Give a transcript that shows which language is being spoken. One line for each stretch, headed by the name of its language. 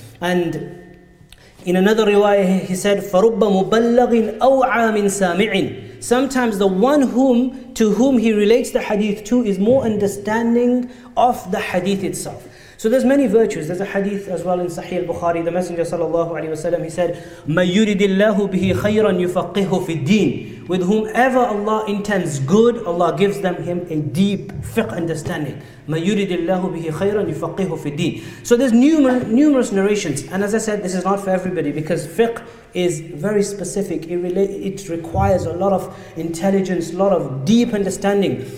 English: And in another riwayah, he said,
Arabic: فَرُبَّ مُبَلَّغٍ أَوْعَى مِنْ سَامِعٍ.
English: Sometimes the one to whom he relates the hadith to is more understanding of the hadith itself. So there's many virtues. There's a hadith as well in Sahih al-Bukhari. The Messenger sallallahu alaihi wasallam, he said,
Arabic: مَنْ يُرِدِ اللَّهُ بِهِ خَيْرًا يُفَقِّهُ فِي الدِّينِ.
English: With whomever Allah intends good, Allah gives him a deep fiqh understanding.
Arabic: مَنْ يُرِدِ اللَّهُ بِهِ خَيْرًا يُفَقِّهُ فِي الدِّينِ.
English: So there's numerous narrations. And as I said, this is not for everybody, because fiqh is very specific. It requires a lot of intelligence, a lot of deep understanding.